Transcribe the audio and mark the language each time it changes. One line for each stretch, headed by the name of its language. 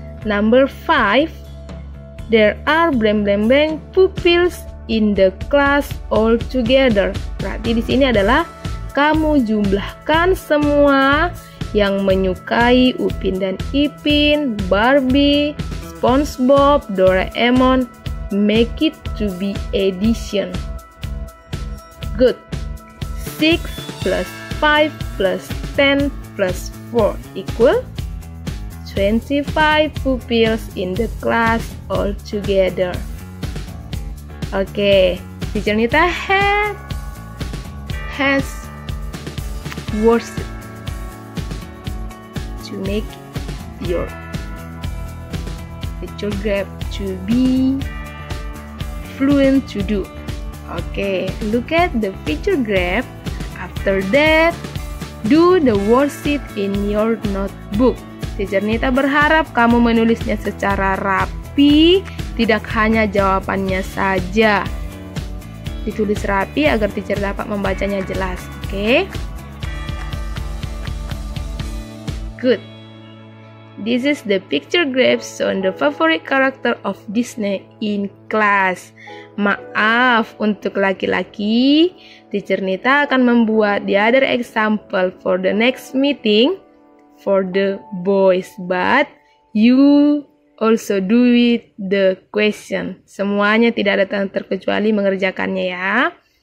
English: Number 5, there are blank blank blank pupils in the class all together.
Indonesian: Berarti di sini adalah kamu jumlahkan semua yang menyukai Upin dan Ipin, Barbie, SpongeBob, Doraemon,
English: make it to be addition. Good. 6 plus 5 plus 10 plus 4 equal 25 pupils in the class all together. Okay, Teacher Nita has words to make your picture graph to be fluent to do. Okay, look at the picture graph. After that, do the worksheet in your notebook.
Indonesian: Teacher Nita berharap kamu menulisnya secara rapi, tidak hanya jawabannya saja. Ditulis rapi agar teacher dapat membacanya jelas, oke?
English: Good. This is the picture graphs on the favorite character of Disney in class.
Indonesian: Maaf untuk laki-laki, Teacher Nita akan membuat the other example for the next meeting.
English: For the boys, but you also do it the question.
Indonesian: Semuanya tidak ada terkecuali mengerjakannya ya.